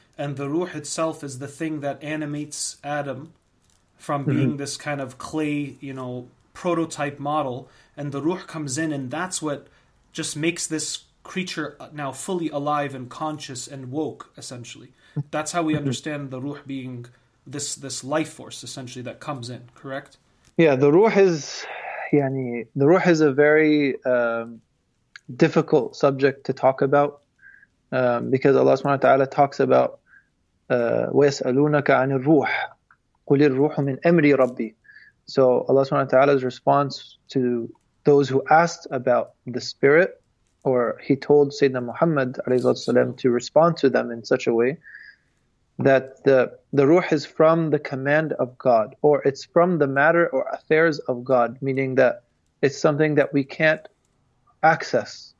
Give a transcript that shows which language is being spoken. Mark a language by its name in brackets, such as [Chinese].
[English] And the ruh itself is the thing that animates Adam from being this kind of clay, you know, prototype model, and the ruh comes in, and that's what just makes this creature now fully alive and conscious and woke, essentially. That's how we understand the ruh being this life force, essentially, that comes in, correct? Yeah, the ruh is, yani, the ruh is a very difficult subject to talk about, Because Allah subhanahu wa ta'ala talks about [Arabic] وَيَسْأَلُونَكَ عَنِ الرُّوحِ قُلِ الرُّوحُ مِنْ أَمْرِ رَبِّي. [English] So Allah subhanahu wa ta'ala's response to those who asked about the spirit, or he told Sayyidina Muhammad to respond to them in such a way that the ruh is from the command of God, or it's from the matter or affairs of God, meaning that it's something that we can't access.